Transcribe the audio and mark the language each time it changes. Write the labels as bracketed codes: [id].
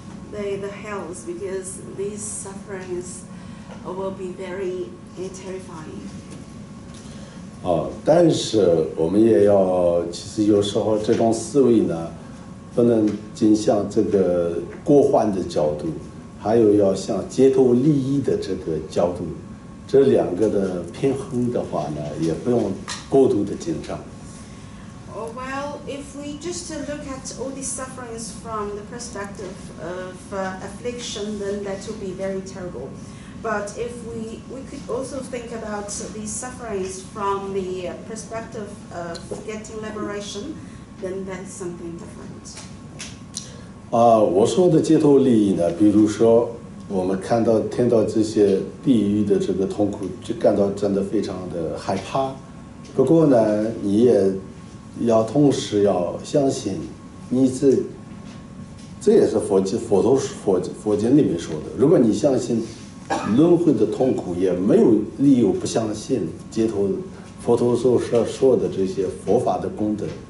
[en] The hells, because these sufferings will be very terrifying. [zh] 但是我们也要，其实有时候这种思维呢，不能仅向这个过患的角度，还有要向解脱利益的这个角度，这两个的平衡的话呢，也不用过度的紧张。 [en] If we just look at all these sufferings from the perspective of affliction, then that will be very terrible. But if we could also think about these sufferings from the perspective of getting liberation, then that's something different. [zh] 我说的解脱利益呢，比如说我们看到、听到这些地狱的这个痛苦，就感到真的非常的害怕。不过呢，你也要同时要相信你这也是佛经里面说的，如果你相信轮回的痛苦，也没有理由不相信解脱佛陀所说的这些佛法的功德。